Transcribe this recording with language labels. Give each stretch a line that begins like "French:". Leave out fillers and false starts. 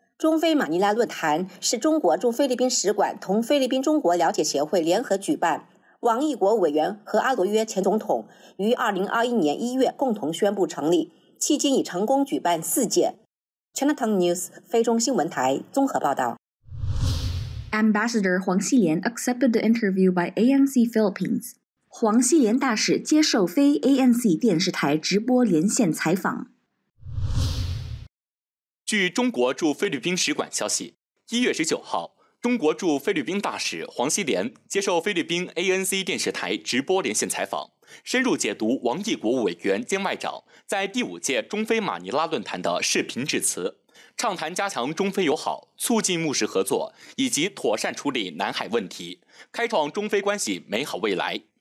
Chinese: 中非马尼拉论坛是中国驻菲律宾使馆同菲律宾中国了解协会联合举办。王毅国务委员和阿罗约前总统于2021年1月共同宣布成立，迄今已成功举办4届。 Chinatown News 非中新闻台综合报道。
English: Ambassador 黄希濂 accepted the interview by ANC Philippines.
Chinese: 黄希濂大使接受非 ANC 电视台直播连线采访。据中国驻菲律宾使馆消息，1月19号中国驻菲律宾大使黄希濂接受菲律宾 ANC 电视台直播连线采访，深入解读王毅国务委员兼外长在第五届中非马尼拉论坛的视频致辞，畅谈加强中非友好、促进务实合作以及妥善处理南海问题，开创中非关系美好未来。